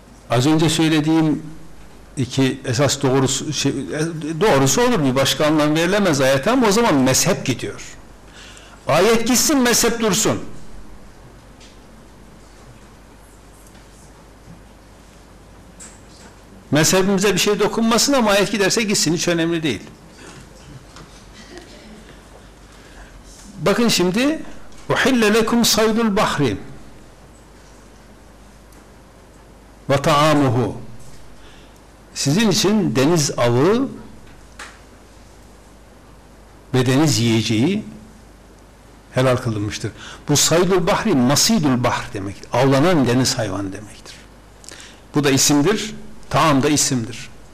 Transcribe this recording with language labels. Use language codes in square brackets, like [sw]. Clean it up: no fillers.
[tr] Az önce söylediğim iki esas doğrusu olur, bir başka anlam verilemez ayete, ama o zaman mezhep gidiyor. Ayet gitsin, mezhep dursun. Mezhebimize bir şey dokunmasın ama ayet giderse gitsin, hiç önemli değil. Bakın şimdi [ar] وَحِلَّ لَكُمْ صَيْدُ الْبَحْرِ وَتَعَامُهُ. [tr] Sizin için deniz avı ve deniz yiyeceği helal kılınmıştır. Bu saydul bahri, masidul bahri demek. Avlanan deniz hayvanı demektir. Bu da isimdir. Taam da isimdir.